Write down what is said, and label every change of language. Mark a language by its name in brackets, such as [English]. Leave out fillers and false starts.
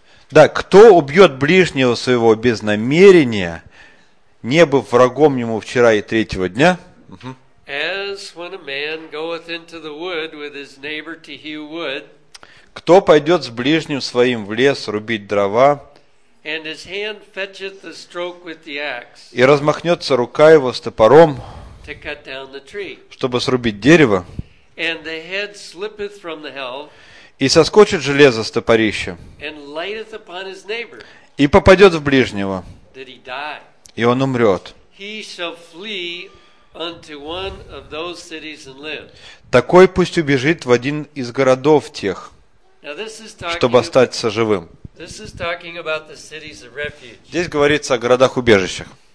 [Russian] Да, кто убьет ближнего своего без намерения, не был врагом ему вчера и третьего дня. [English] As when a man goeth into the wood with his neighbor to hew wood. [Russian] Кто пойдет с ближним своим в лес рубить дрова, [English] and his hand fetcheth the stroke with the axe, [Russian] и размахнется рука его с топором, [English] to cut down the tree, [Russian] чтобы срубить дерево, [English] and the head slippeth from the helve, [Russian] и соскочит железо с топорища, [English] and lighteth upon his neighbor, [Russian] и попадет в ближнего, [English] that he die, [Russian] и он умрет. [English] He shall flee unto one of those cities and live. [Russian] Такой пусть убежит в один из городов тех, чтобы остаться живым. Здесь говорится о городах-убежищах.